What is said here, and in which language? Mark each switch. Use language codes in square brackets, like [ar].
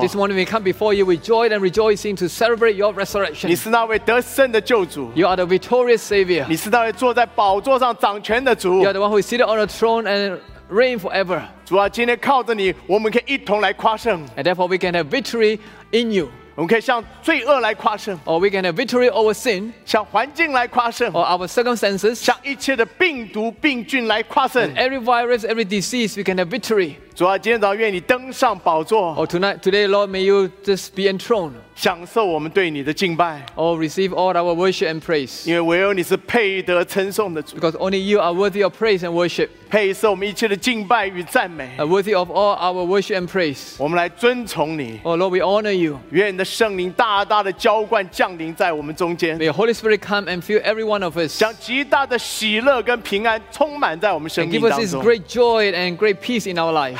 [en] This morning we come before you with joy and rejoicing to celebrate your resurrection. [zh] 你是那位得胜的救主。 [en] You are the victorious savior. [zh] 你是那位坐在宝座上掌权的主。 [en] You are the one who is seated on the throne and reign forever. [zh] 主啊,今天靠着你, 我们可以一同来夸胜。 [en] And therefore we can have victory in you. [zh] 我们可以向罪恶来夸胜。 [en] Or we can have victory over sin. [zh] 向环境来夸胜。 [en] Or our circumstances. [zh] 向一切的病毒病菌来夸胜。 [en] And every virus, every disease, we can have victory. [zh] 主啊,今天早上愿你登上宝座。 [en] Or tonight, today, Lord, may you just be enthroned. [zh] 享受我们对你的敬拜。 [en] Oh, receive all our worship and praise. [zh] 因为唯有你是配得称颂的主。 [en] Because only you are worthy of praise and worship. [zh] 配受我们一切的敬拜与赞美。 [en] Worthy of all our worship and praise. [zh] 我们来遵从你。 [en] Oh, Lord, we honor you. [zh] 愿你的圣灵大大的浇灌降临在我们中间。 [en] May Holy Spirit come and fill every one of us. [zh] 将极大的喜乐跟平安充满在我们生命当中。 [en] And give us this great joy and great peace in our life.